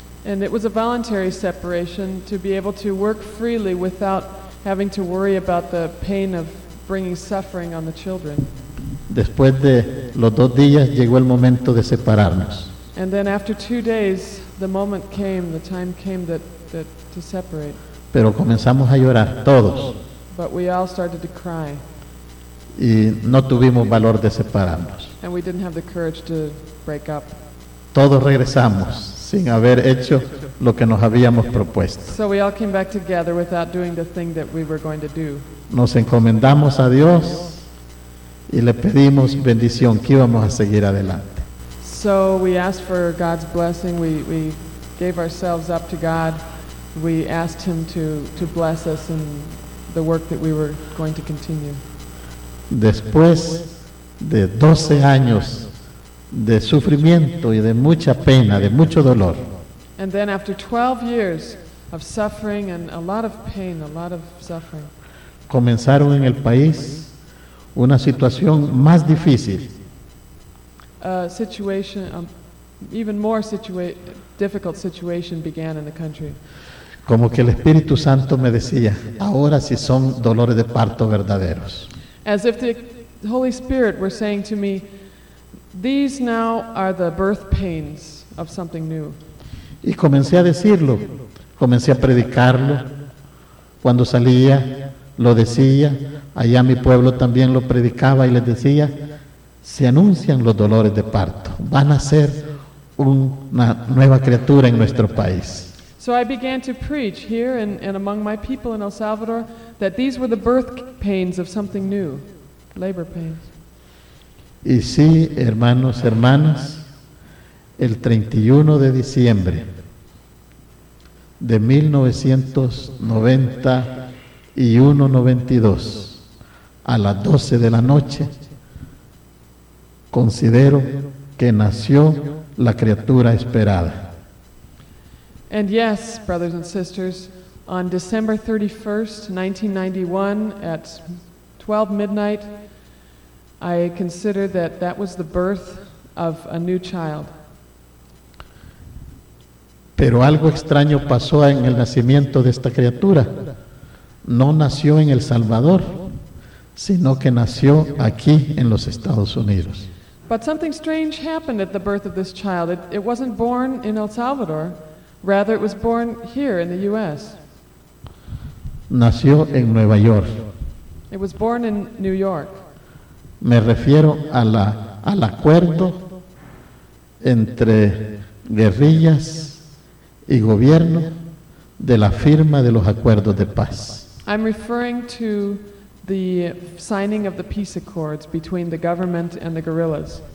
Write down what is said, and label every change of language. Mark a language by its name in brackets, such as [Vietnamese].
[English] And it was a voluntary separation to be able to work freely without having to worry about the pain of bringing suffering on the children. [Spanish] Después de los dos días llegó el momento de separarnos. [English] And then after 2 days, the moment came, the time came that to separate. [Spanish] Pero comenzamos a llorar todos. [English] But we all started to cry. [Spanish] Y no tuvimos valor de separarnos. [English] And we didn't have the courage to break up. [Spanish] Todos regresamos sin haber hecho lo que nos habíamos propuesto. [English] So we all came back together without doing the thing that we were going to do. [Spanish] Nos encomendamos a Dios y le pedimos bendición que íbamos a seguir adelante. [English] So we asked for God's blessing. We gave ourselves up to God. We asked Him to bless us in the work that we were going to continue. [Spanish] Después de 12 años de sufrimiento y de mucha pena, de mucho dolor. [English] And then after 12 years of suffering and a lot of pain, a lot of suffering. [Spanish] Comenzaron en el país una situación más difícil. [English] A situation, even more difficult situation began in the country. [Spanish] Como que el Espíritu Santo me decía, ahora sí son dolores de parto verdaderos. [English] As if the Holy Spirit were saying to me, these now are the birth pains of something new. [Spanish] Y comencé a decirlo, comencé a predicarlo. Cuando salía, lo decía. Allá mi pueblo también lo predicaba y les decía, se anuncian los dolores de parto. Van a ser una nueva criatura en nuestro país. [English] So I began to preach here and among my people in El Salvador that these were the birth pains of something new, labor pains. [Spanish] Y sí, hermanos, hermanas, el 31 de diciembre de 1991-92, a las 12 de la noche, considero que nació la criatura esperada. [English] And yes, brothers and sisters, on December 31st, 1991, at 12 midnight, I consider that was the birth of a new child. [Spanish] Pero algo extraño pasó en el nacimiento de esta criatura. No nació en El Salvador, sino que nació aquí en los Estados Unidos. [English] But something strange happened at the birth of this child. It wasn't born in El Salvador. Rather, it was born here in the U.S. [Spanish] Nació en Nueva York. [English] It was born in New York. [Spanish] Me refiero al acuerdo entre guerrillas y gobierno de la firma de los acuerdos de paz. [English] I'm referring to the signing of the peace accords between the government and the guerrillas.